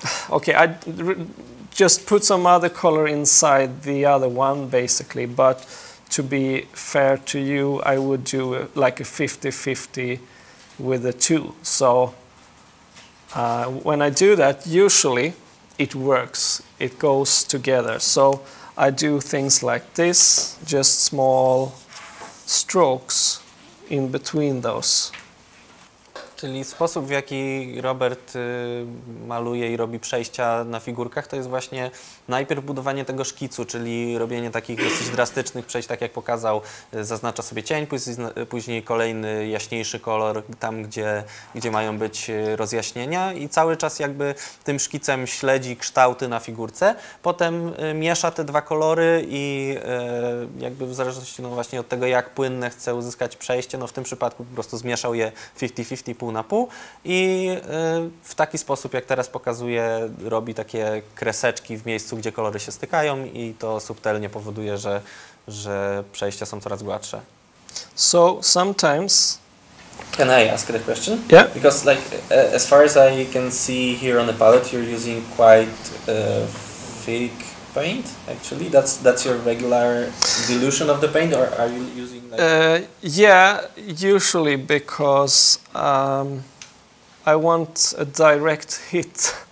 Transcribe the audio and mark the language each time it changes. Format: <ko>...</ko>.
<en>Okay, I just put some other color inside the other one, basically, but to be fair to you, I would do like a 50-50 with the two. So when I do that, usually it works, it goes together. So I do things like this, just small strokes in between those.</en> <pl>Czyli sposób, w jaki Robert maluje i robi przejścia na figurkach, to jest właśnie najpierw budowanie tego szkicu, czyli robienie takich dosyć drastycznych przejść, tak jak pokazał, zaznacza sobie cień, później kolejny jaśniejszy kolor tam, gdzie mają być rozjaśnienia i cały czas jakby tym szkicem śledzi kształty na figurce, potem miesza te dwa kolory i jakby w zależności właśnie od tego, jak płynne chce uzyskać przejście, w tym przypadku po prostu zmieszał je 50-50, pół na pół i w taki sposób, jak teraz pokazuję, robi takie kreseczki w miejscu, gdzie kolory się stykają i to subtelnie powoduje, że przejścia są coraz gładsze.</pl> <en>So sometimes... Can I ask the question? Yeah. Because like, as far as I can see here on the palette, you're using quite thick paint, actually. That's your regular dilution of the paint, or are you using... Yeah, usually, because I want a direct hit</en>